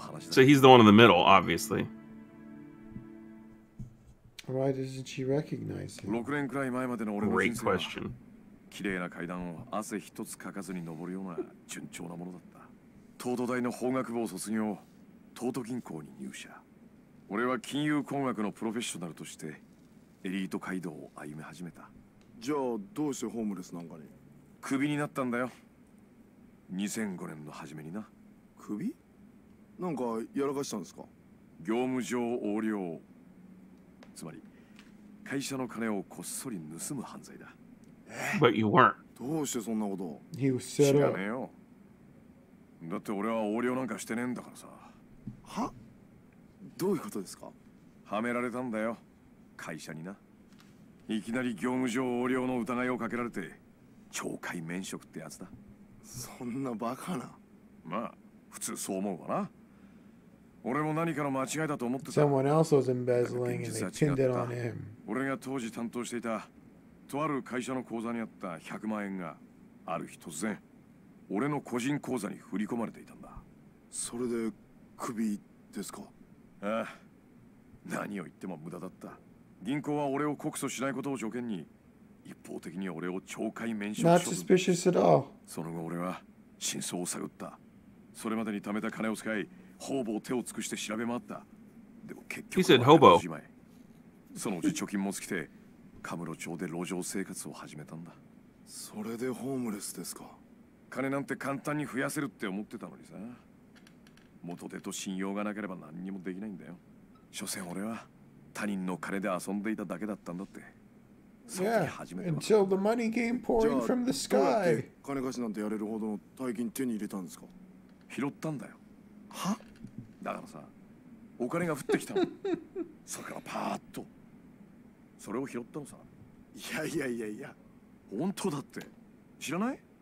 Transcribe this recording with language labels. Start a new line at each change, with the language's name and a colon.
English: So he's the one in the middle, obviously. Why doesn't she recognize him?
Japanese: 6年くらい前までの俺の人生は、
English: Great question.
Japanese: 綺麗な階段を汗一つかかずに登るような順調なものだった。東都大の法学部を卒業、東都銀行に入社。俺は金融工学のプロフェッショナルとしてエリート街道を歩み始めた。じゃあどうしてホームレスなんかに？クビになったんだよ。2005年の初めにな。クビ？なんかやらかしたんですか？業務上横領。つまり会社の金をこっそり盗む犯罪だ。
English: But you weren't.
Japanese: どうしてそんなこと？
English: He was set up.
Japanese: 知らねえよ。だって俺は横領なんかしてねえんだからさ。は？どういうことですか？はめられたんだよ。会社にな。いきなり業務上横領の疑いをかけられて懲戒免職ってやつだ。そんなバカな。まあ普通そう思うわな。俺も何かの間違いだと思ってた。
English: Someone else was embezzling and they pinned it on him.
Japanese: 俺が当時担当していたとある会社の口座にあった100万円がある日突然俺の個人口座に振り込まれていたんだ。それでクビですか？ああ、何を言っても無駄だった。銀行は俺を告訴しないことを条件に一方的に俺を懲戒免職処分。
English: Not suspicious at all.
Japanese: その後俺は真相を探った。それまでに貯めた金を使い方々手を尽くして調べ回った。でも結局は彼女自前。そのうち貯金も尽きて、カムロ町で路上生活を始めたんだ。それでホームレスですか。金なんて簡単に増やせるって思ってたのにさ。元手と信用がなければ何にもできないんだよ。所詮俺は他人の金で遊んでいただけだったんだって。そこに始めた。Yeah.
English: Until the money came pouring from the sky.
Japanese: 金貸しなんてやれるほどの大金手に入れたんですか。拾ったんだよ。は？だからさ、お金が降ってきたの。それからパーッと。それを拾ったのさ。いやいやいやいや。本当だって。知らない？